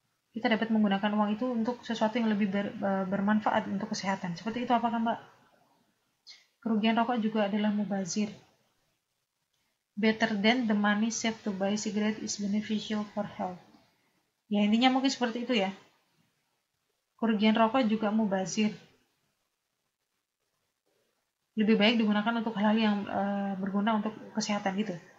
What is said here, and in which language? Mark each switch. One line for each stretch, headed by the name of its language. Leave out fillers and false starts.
Indonesian: Yang mana kita dapat menggunakan uang itu untuk sesuatu yang lebih bermanfaat untuk kesehatan. Seperti itu apakah Mbak? Kerugian rokok juga adalah mubazir.
English: Better than the money saved to buy cigarette is beneficial for health.
Indonesian: Ya, intinya mungkin seperti itu ya. Kerugian rokok juga mubazir. Lebih baik digunakan untuk hal-hal yang berguna untuk kesehatan gitu.